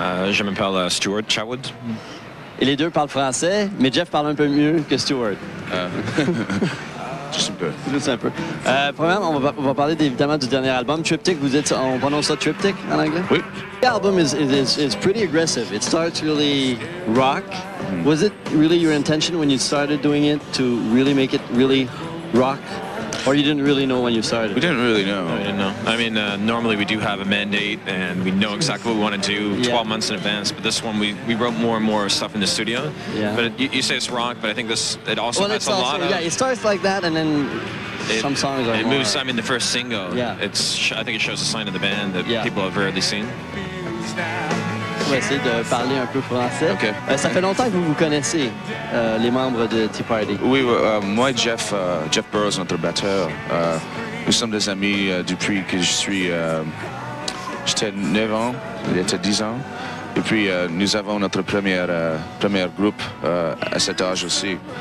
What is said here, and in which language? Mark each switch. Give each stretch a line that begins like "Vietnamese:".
French: Je m'appelle Stuart Chatwood. Et les deux parlent français, mais Jeff parle un peu mieux que Stuart. Juste un peu. Premièrement, on va parler évidemment du dernier album, Triptych. Vous êtes, on prononce ça Triptych en anglais? Oui.
English: The album is pretty aggressive. It starts really rock. Mm-hmm. Was it really your intention when you started doing it to really make it really rock? Or you didn't really know when you started? We didn't really know. No, we didn't know. I mean, normally we do have a mandate and we know exactly what we want to do 12 yeah. months in advance. But this one, we wrote more and more stuff in the studio. Yeah. But you say it's rock, but I think it also has a lot of... Yeah, it starts like that and then... Some songs are It moves, I mean, the first single, yeah. I think it shows a sign of the band that yeah. people have rarely seen.
French: On va essayer de parler un peu français.
English: Okay.
French: Ça fait longtemps que vous vous connaissez, les membres de Tea Party. Oui, moi, Jeff Burrows, notre batteur, nous sommes des amis depuis que je suis... J'étais 9 ans, il était 10 ans. Et puis, nous avons notre premier groupe à cet âge aussi.